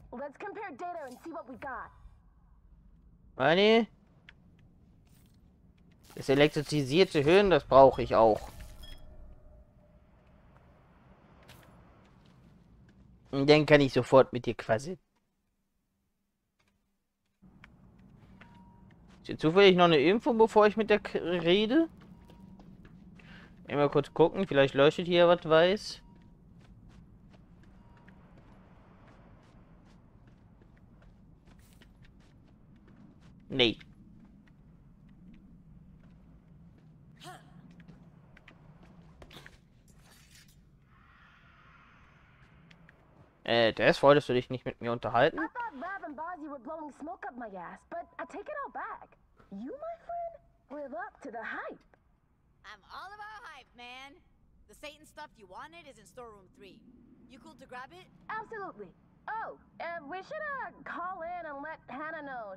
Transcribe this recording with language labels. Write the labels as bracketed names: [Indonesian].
[English] Let's compare data and see what we got. Money? [German] Das elektrisierte Hirn, das brauche ich auch. Und dann kann ich sofort mit dir quasi. Ist hier zufällig noch eine Info, bevor ich mit der rede? Mal kurz gucken, vielleicht leuchtet hier was weiß. Nee. Des wolltest du dich nicht mit mir unterhalten? [English] I thought Rav and Bozzy were blowing smoke up my ass, but I take it all back. You, my friend, live up to the hype. I'm all about hype, man. The Satan stuff you wanted is in storeroom 3. You cool to grab it? Absolutely. Oh, we should call in and let Hannah know.